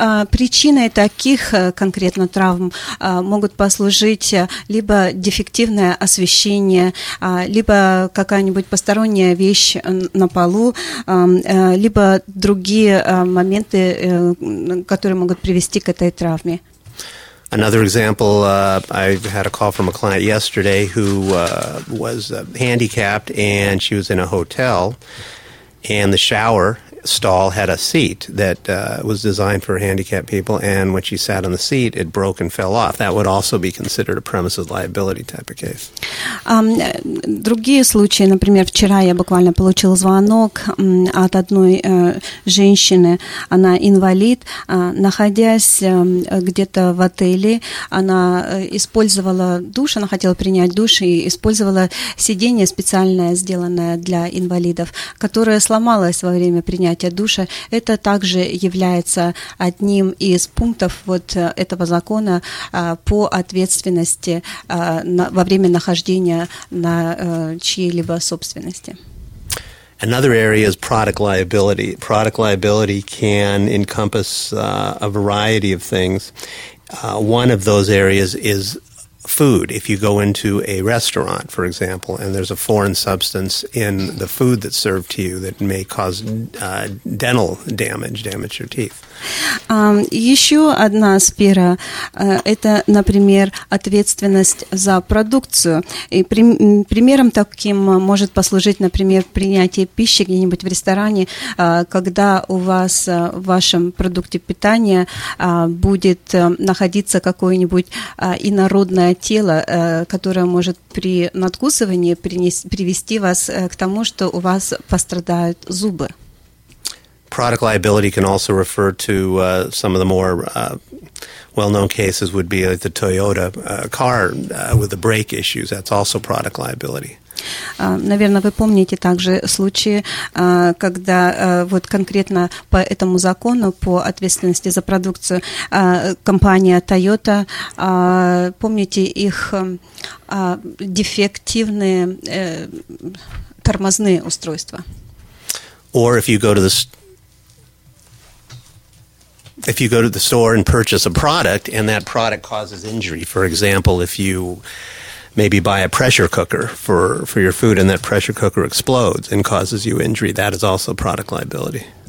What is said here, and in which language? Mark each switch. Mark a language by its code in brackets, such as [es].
[ru] Причиной таких конкретно травм могут послужить либо дефективное освещение, либо какая-нибудь посторонняя вещь на полу, либо другие моменты, которые могут привести к этой травме. [en] Another example, I had a call from a client yesterday who was handicapped, and she was in a hotel, and the shower stall had a seat that was designed for handicapped people, and when she sat on the seat, it broke and fell off. That would also be considered a premises liability type of case. [ru] Другие случаи, например, вчера я буквально получил звонок от одной женщины. Она инвалид. Находясь где-то в отеле, она использовала душ, она хотела принять душ и использовала сиденье специальное, сделанное для инвалидов, которое сломалось во время принятия душа, это также является одним из пунктов вот этого закона по ответственности во время нахождения на чьей-либо собственности. [en] Another area is product liability. Product liability can encompass a variety of things. One of those areas is food. If you go into a restaurant, for example, and there's a foreign substance in the food that's served to you that may cause dental damage your teeth. [ru] Еще одна сфера это, например, ответственность за продукцию. И примером таким может послужить, например, принятие пищи где-нибудь в ресторане, когда у вас в вашем продукте питания будет находиться какое-нибудь инородное тело, которое может при надкусывании привести вас к тому, что у вас пострадают зубы. [en] Product liability can also refer to some of the more well-known cases would be like the Toyota car with the brake issues. That's also product liability. [ru] Наверное, вы помните также случаи, когда вот конкретно по этому закону, по ответственности за продукцию, компания Toyota, помните их дефективные тормозные устройства? [en] Or if you go to the store and purchase a product, and that product causes injury, for example, if you maybe buy a pressure cooker for your food, and that pressure cooker explodes and causes you injury, that is also product liability.